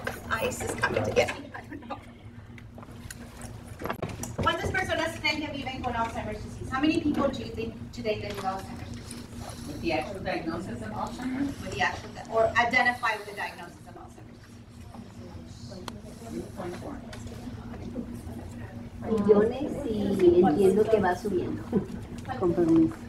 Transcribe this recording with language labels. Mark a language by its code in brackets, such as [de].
[en] Ice is coming to get me. I don't know. [es] ¿Cuántas personas creen que viven con Alzheimer's disease? [en] How many people do you think today live with Alzheimer's disease? With the actual diagnosis of Alzheimer's? With the actual, or identify with the diagnosis of Alzheimer's disease. [es] 3.4. Millones, y entiendo que va subiendo. Con permiso.